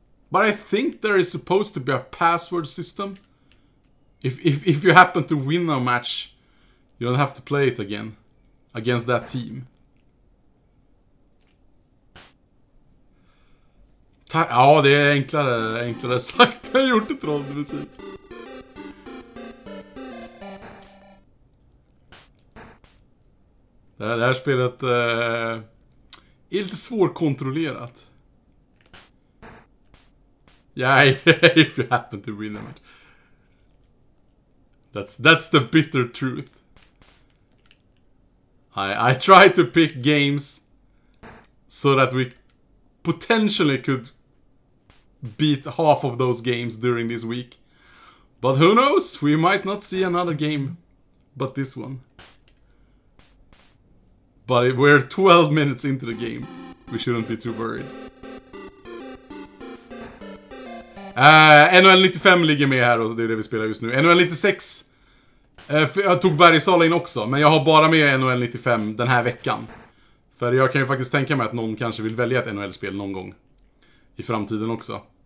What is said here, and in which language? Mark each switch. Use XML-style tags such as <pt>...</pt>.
<en>But I think there is supposed to be a password system. If you happen to win a match, you don't have to play it again against that team.</en> <sv>Ja, det är enklare sagt än gjort i trollmusik. Det här spelet är lite svårkontrollerat.</sv> <en>Yeah, if you happen to win that. That's the bitter truth. I try to pick games so that we potentially could beat half of those games during this week. But who knows? We might not see another game but this one. But if we're 12 minutes into the game, we shouldn't be too worried.</en> <sv>NHL 95 ligger med här och det är det vi spelar just nu. NHL 96. Jag tog Bergsala in också, men jag har bara med NHL 95 den här veckan. För jag kan ju faktiskt tänka mig att någon kanske vill välja ett NHL-spel någon gång i framtiden också.</sv>